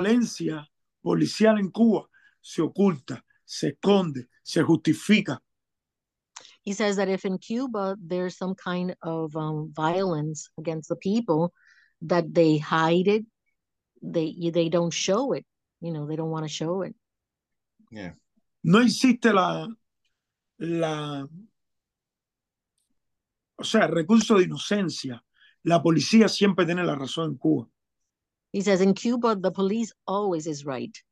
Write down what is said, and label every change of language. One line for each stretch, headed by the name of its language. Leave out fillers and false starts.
Spanish: violencia policial en Cuba, se oculta, se esconde, se justifica.
English: He says that if in Cuba there's some kind of violence against the people, that they hide it, they don't show it, you know, they don't want to show it. Yeah.
Spanish: No existe la o sea, recurso de inocencia. La policía siempre tiene la razón en Cuba.
English: He says in Cuba the police always is right.